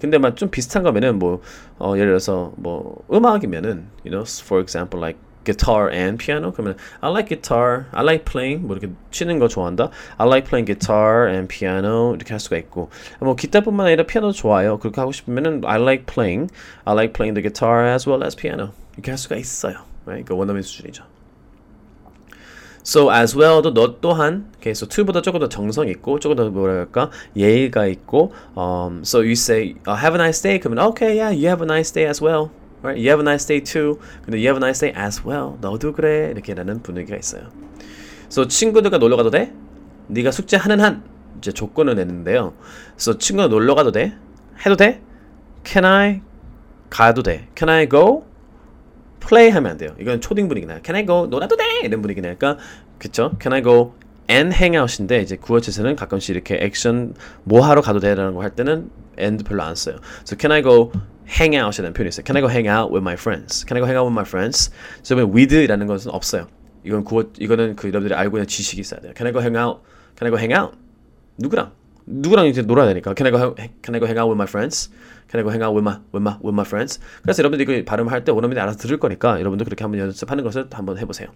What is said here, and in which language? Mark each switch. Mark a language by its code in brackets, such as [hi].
[ko] 근데 막 좀 비슷한 거면은 뭐 예를 들어서 뭐 음악이면은 [en] you know, for example like guitar and piano. 그러면 I like guitar. I like playing. [ko] 뭐 이렇게 치는 거 좋아한다. [en] I like playing guitar and piano. 이렇게 할 수가 있고. [ko] 뭐 기타뿐만 아니라 피아노 좋아요. [en] 그렇게 하고 싶으면은 I like playing. I like playing the guitar as well as piano. [ko] 이렇게 할 수가 있어요. Right? 그 원어민 수준이죠. So as well도 너 또한 okay, so to보다 조금 더 정성 있고 조금 더 뭐라 할까 예의가 있고 so you say have a nice day 그러면 okay yeah [en] you have a nice day as well [ko] right you have a nice day too 근데 you have a nice day as well 너도 그래 이렇게 라는 분위기가 있어요. So 친구들과 놀러 가도 돼? 네가 숙제하는 한 이제 조건을 냈는데요. So 친구가 놀러 가도 돼? 해도 돼? Can I 가도 돼? [en] Can I go? [ko] play 하면 안 돼요. 이건 초딩 분위기나 can I go 놀아도 돼 이런 분위기니까 그쵸? [en] can I go and hang out [ko] 인데 이제 구어체에서는 가끔씩 이렇게 액션 뭐 하러 가도 돼라는 거 할 때는 and 별로 안 써요. [en] so can I go hang out이라는 표현이 있어요. can I go hang out with my friends? can I go hang out with my friends? [ko] 그래서 so, with라는 것은 없어요. 이건 구어 이거는 그 여러분들이 알고 있는 지식이 있어야 돼요. [en] can I go hang out? can I go hang out? 누구랑 이제 놀아야 되니까 can I go hang out with my friends? Can I go hang out with my friends? [ko] 그래서 여러분들 이거 발음할 때 원어민들이 알아서 들을 거니까 여러분도 그렇게 한번 연습하는 것을 한번 해보세요.